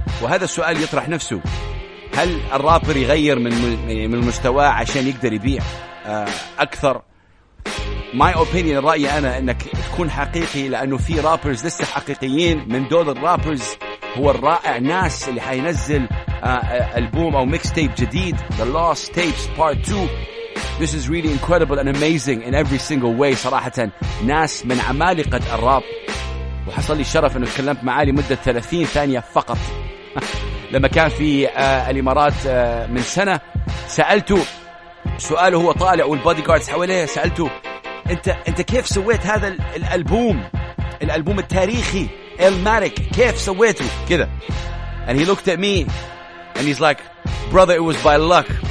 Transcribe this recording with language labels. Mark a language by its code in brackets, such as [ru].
[ar] وهذا السؤال يطرح نفسه، هل الرابر يغير من مستوى عشان يقدر يبيع أكثر؟ [en] My opinion، [ar] رأيي أنا أنك تكون حقيقي، لأنه في رابرز لسه حقيقيين. من دول الرابرز هو الرائع ناس اللي حينزل ألبوم أو ميكس تيب جديد، The Lost Tapes Part 2. [en] This is really incredible and amazing in every single way. [ar] صراحة ناس من عمالقة الراب، وحصل لي الشرف أنه تكلمت معاه لمدة 30 ثانية فقط لما كان في الإمارات من سنة. سألته سؤاله هو طالع والبودي جاردز حواليه، سألته أنت كيف سويت هذا الألبوم التاريخي إلماريك، كيف سويته كذا؟ [en] And he looked at me and he's like, brother, it was by luck.